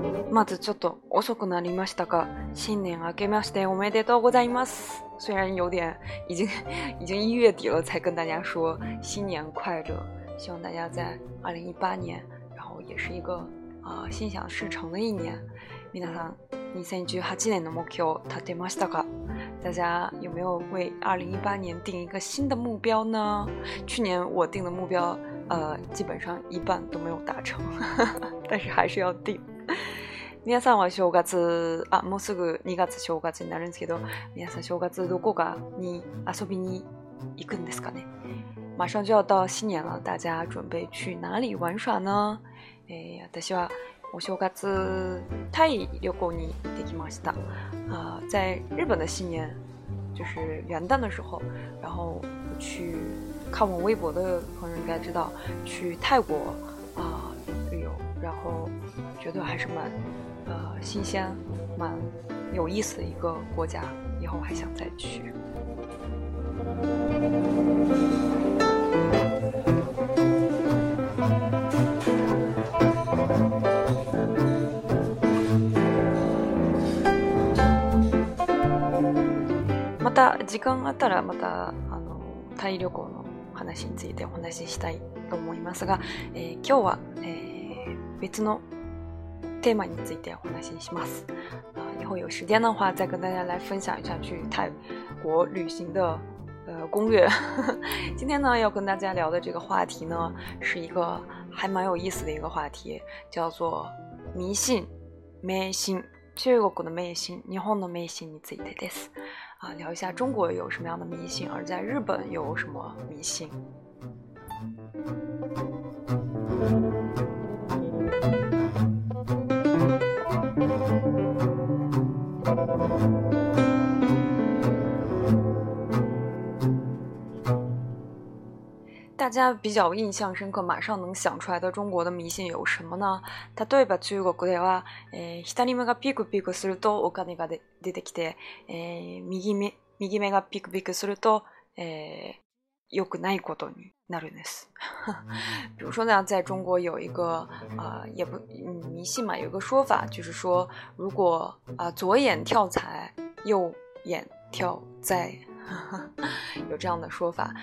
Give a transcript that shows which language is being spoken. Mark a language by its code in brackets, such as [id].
[ja] まずちょっと遅くなりましたが、新年明けましておめでとうございます。 [zh] 虽然有点已经一月底了才跟大家说新年快乐，希望大家在2018年然后也是一个、心想事成的一年。 [ja] 皆さん2018年の目標立てましたか？ [zh] 大家有没有为2018年定一个新的目标呢？去年我定的目标基本上一半都没有达成但是还是要定。 [ja] 皆さんは正月、あ、もうすぐ2月正月になるんですけど、皆さん正月どこかに遊びに行くんですかね？ [zh] 马上就要到新年了，大家准备去哪里玩耍呢？ [ja] 私はお正月タイ旅行に行ってきました。 [zh] 在日本的新年，就是元旦的时候，然后去看我微博的朋友应该知道，去泰国旅游，然后觉得还是蛮新鲜蛮有意思的一个国家，以后还想再去。 [ja] また時間あったらまたタイ旅行の話についてお話ししたいと思いますが、今日は、別のテーマについてお話しします。 [zh] 以后有时间的话，再跟大家来分享一下去泰国旅行的攻略。今天呢，要跟大家聊的这个话题呢，是一个还蛮有意思的一个话题，叫做迷信、迷信。中国的迷信、日本的迷信 [ja] についてです。 [zh] 聊一下中国有什么样的迷信，而在日本有什么迷信。大家比较印象深刻，马上能想出来的中国的迷信有什么呢？ [ja] 例えば中国では、左目がピクピクするとお金が出てきて、右目がピクピクすると、良くないことになるんです。 [zh] 比如说呢，在中国有一个也不迷信嘛，有一个说法，就是说如果左眼跳财，右眼跳灾。有这样的说法。